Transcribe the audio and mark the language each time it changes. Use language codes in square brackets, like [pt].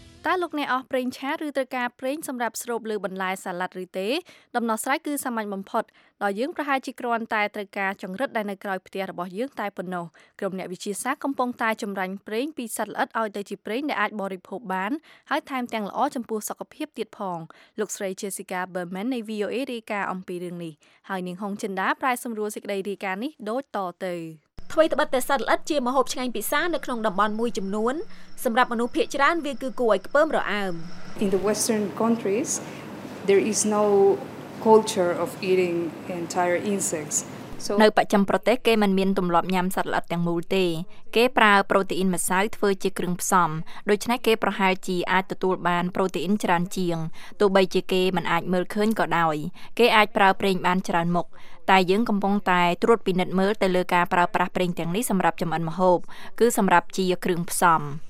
[km] តើលោកអ្នកអស់ប្រេងឆាឬត្រូវការប្រេងសម្រាប់ស្រូបលើបន្លែសាឡាត់ឬទេដំណោះស្រាយគឺសាមញ្ញបំផុតដោយយើងប្រហែលជាគ្រាន់តែត្រូវការចង្រិតដែលនៅក្រោយផ្ទះរបស់យើងតែប៉ុណ្ណោះក្រុមអ្នកវិទ្យាសាស្ត្រកំពុងតែចម្រាញ់ប្រេងពីសត្វល្អិតឲ្យទៅជាប្រេងដែលអាចបរិភោគបានហើយថែមទាំងល្អចំពោះសុខភាពទៀតផងលោកស្រី Jessica Berman នៃ VOA រាយការណ៍អំពីរឿងនេះហើយនាងហុងចិនដាប្រែសម្រួលសេចក្តីរាយការណ៍នេះដូចតទៅ ថ្មីត្បិតតែសត្វល្អិតជាមហូបឆ្ងាញ់ពិសានៅក្នុងតំបន់មួយចំនួនសម្រាប់មនុស្សភាគច្រើនវាគឺគួរឲ្យខ្ពើមរអើម [en] In the western countries there is no culture of eating entire insects [km] នៅប្រចាំប្រទេសគេមិនមានទម្លាប់ញ៉ាំសត្វល្អិតទាំងមូលទេគេប្រើប្រូតេអ៊ីនម្សៅធ្វើជាគ្រឿងផ្សំដូច្នេះគេប្រហែលជាអាចទទួលបានប្រូតេអ៊ីនច្រើនជាងទោះបីជាគេមិនអាចមើលឃើញក៏ដោយគេអាចប្រើប្រេងបានច្រើនមុខតែយើងកំពុងតែត្រួតពិនិត្យមើលទៅលើការប្រើប្រាស់ប្រេងទាំងនេះសម្រាប់ចំអិនម្ហូបគឺសម្រាប់ជាគ្រឿងផ្សំ